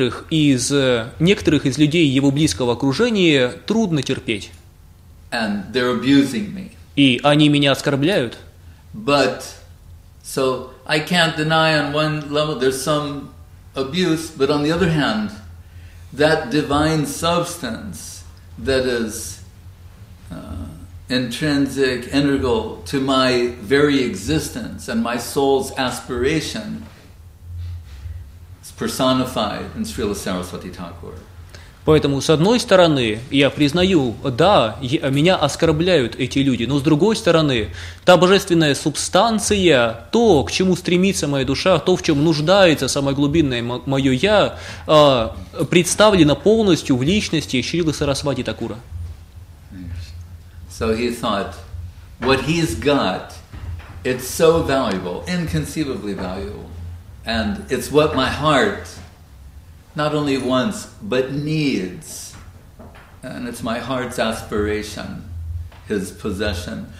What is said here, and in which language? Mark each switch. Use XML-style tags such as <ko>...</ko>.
<ru>Некоторых из людей его близкого окружения трудно терпеть.</ru> <en>And they're abusing me.</en> <ru>И они меня оскорбляют.</ru> <en>But, so I can't deny on one level there's some abuse, but on the other hand, that divine substance that is intrinsic, integral to my very existence and my soul's aspiration is personified in Srila Saraswati Thakur.</en> <ru>Поэтому, с одной стороны, я признаю, да, меня оскорбляют эти люди, но с другой стороны, та божественная субстанция, то, к чему стремится моя душа, то, в чем нуждается самое глубинное мое «я», представлено полностью в личности Шрилы Сарасвати Такура.</ru> <en>So he thought, what he's got, it's so valuable, inconceivably valuable, and it's what my heart not only wants, but needs, and it's my heart's aspiration, his possession.</en>